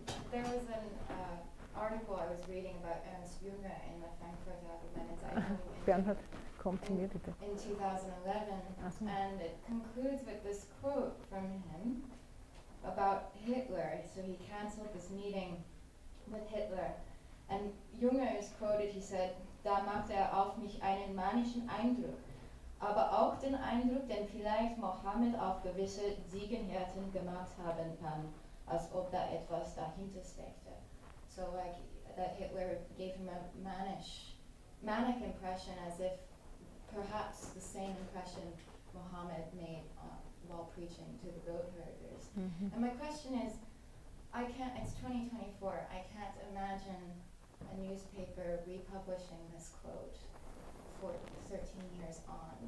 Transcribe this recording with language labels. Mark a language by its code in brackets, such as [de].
[en] There was an article I was reading about Ernst Jünger in the Frankfurter Allgemeine Zeitung in 2011, and it concludes with this quote from him about Hitler. So he cancelled this meeting with Hitler. And Junger is quoted, he said, [de] da macht auf mich einen manischen Eindruck, aber auch den Eindruck, den vielleicht Mohammed auf gewisse Ziegenherden gemacht haben kann, als ob da etwas dahinter steckte. [en] So like, that Hitler gave him a manic impression, as if perhaps the same impression Muhammad made while preaching to the goat herders. Mm-hmm. And my question is, it's 2024, I can't imagine a newspaper republishing this quote for 13 years on.